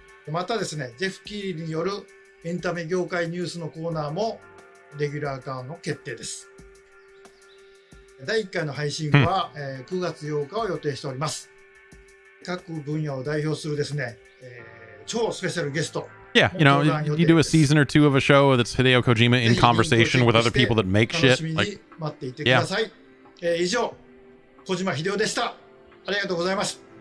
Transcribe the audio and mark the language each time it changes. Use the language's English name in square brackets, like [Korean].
[Japanese] またですね、ジェフ・キーリによるエンタメ業界ニュースのコーナーもレギュラー化の決定です。第1回の配信は、9月8日を予定しております。各分野を代表するですね、超スペシャルゲスト。 [English] Yeah, you know, you do a season or two of a show that's Hideo Kojima in conversation with other people that make shit. [Japanese] 楽しみに待っていてください。 Yeah. 以上、小島秀夫でした。ありがとうございます。